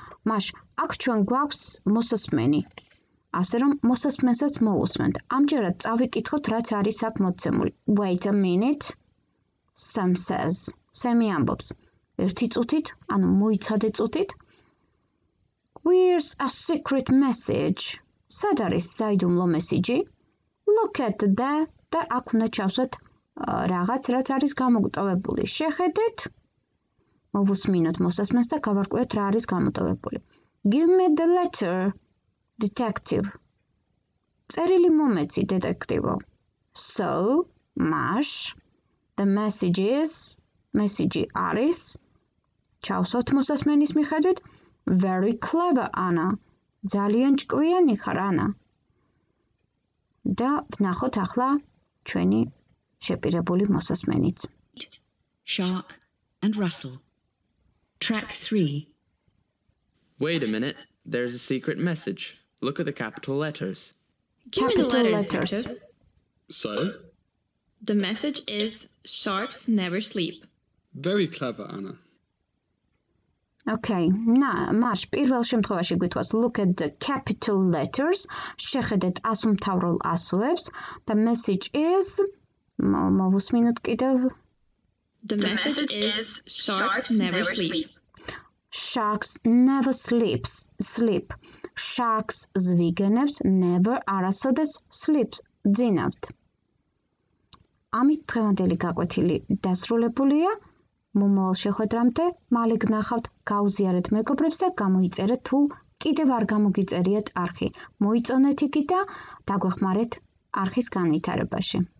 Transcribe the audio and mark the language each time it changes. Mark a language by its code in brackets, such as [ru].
[ka] Маш, აქ ჩვენ გვაქვს მოსასმენი. ასე რომ მოსასმენსაც მოუსმენთ. ამჯერად წავიკითხოთ რაც არის აქ მოცემული. [en] Wait a minute. Sam says. [ka] Sammy ამბობს. ერთი წუთით, ანუ მოიცადე წუთით. [en] Where's a secret message? [ka] სად არის საიდუმლო message? [en] Look at there. [ka] და აქ უნდა ჩავსვათ რაღაც რაც არის გამოკვეთებული. შეხედეთ. მოუსმინოთ მოსასმენს და გავარკვიოთ რა არის გამოტოვებული. [en] Give me the letter, detective. [ka] წერილი მომეცი, დეტექტივო. [en] So, mash, the message is, message [ka] არის. ჩავსოთ მოსასმენის მიხედვით. [en] Very clever, Anna. [ka] ძალიან ჭკვიანი ხარ, Anna. და ვნახოთ ახლა ჩვენი შეპირებული მოსასმენიც. [en] Shark and Russell. Track 3. Wait a minute. There's a secret message. Look at the capital letters. Give me the letters. So? The message is sharks never sleep. Very clever, Anna. Okay. Na, Mash, [ka] პირველ შემთხვევაში გვითხოვს [en] look at the capital letters. [ka] შეხედეთ ასომთავრულ ასოებს. [en] The message is [ka] მოუსმინოთ კიდევ. [en] The message is sharks never sleep. Sharks never sleeps. Sleep. Sharks [ka] ზვიგენებს, [en] never [ka] არასოდეს [en] sleeps. [ka] ძინავთ. ამით დღევანდელი გაკვეთილი დასრულებულია. მომავალ შეხვედრამდე მალე გნახავთ, გაუზიარეთ მეგობრებს და გამოიწერეთ თუ კიდევ არ გამოგიწერიათ არხი. მოიწონეთ იგი და დაგვეხმარეთ არხის განვითარებაში.